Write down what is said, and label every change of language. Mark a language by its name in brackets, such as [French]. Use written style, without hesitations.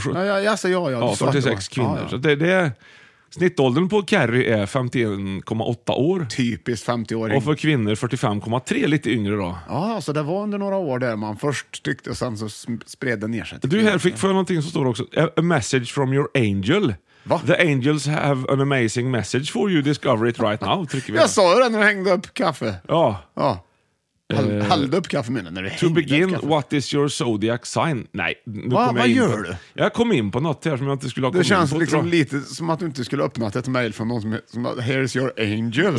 [Swedish] 46 kvinnor. Så det är... Snittåldern på Kerry är 51,8 år. Typiskt 50-åring. Och för kvinnor 45,3, lite yngre då. Ja, så det var under några år där man först tyckte och sen så spred den ner sig. Du, här fick för någonting som står också. [English] A message from your angel. [Swedish] Va? [English] The angels have an amazing message for you. Discover it right now, [Swedish] trycker vi. Jag sa ju det när du hängde upp kaffe. Ja. Ja. Hällde upp kaffe med den när du hängde upp. [English] To begin, what is your zodiac sign? [Swedish] Nej, nu vad gör du? Jag kom in på något här som jag inte skulle ha kommit. Det känns liksom lite som att du inte skulle öppna ett mejl från någon som [English] here's your angel.